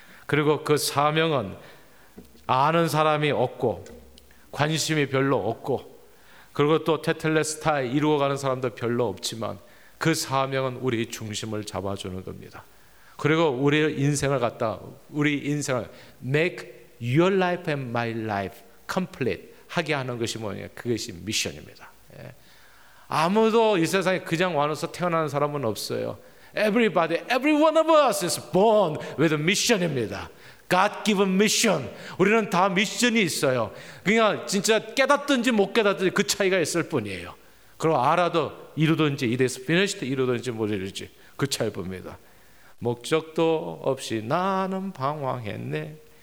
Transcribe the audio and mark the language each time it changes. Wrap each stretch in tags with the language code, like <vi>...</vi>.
<ko>그리고 그 사명은 아는 사람이 없고 관심이 별로 없고 그리고 또 테텔레스타에 이루어가는 사람도 별로 없지만 그 사명은 우리 중심을 잡아주는 겁니다. 그리고 우리 인생을 갖다 우리 인생을</ko> <en>make your life and my life complete</en> <ko>하게 하는 것이 뭐냐, 그것이 미션입니다. 아무도 이 세상에 그냥 와서 태어나는 사람은 없어요.</ko> <en>Everybody, every one of us is born with a mission</en> <ko>입니다.</ko> <en>God given mission.</en> <ko>우리는 다 미션이 있어요. 그냥 진짜 깨닫든지 못 깨닫든지 그 차이가 있을 뿐이에요. 그리고 알아도 이루든지 이래서 finished 이루든지 못 이루든지 그 차이 봅니다. 목적도 없이 나는 방황했네.</ko>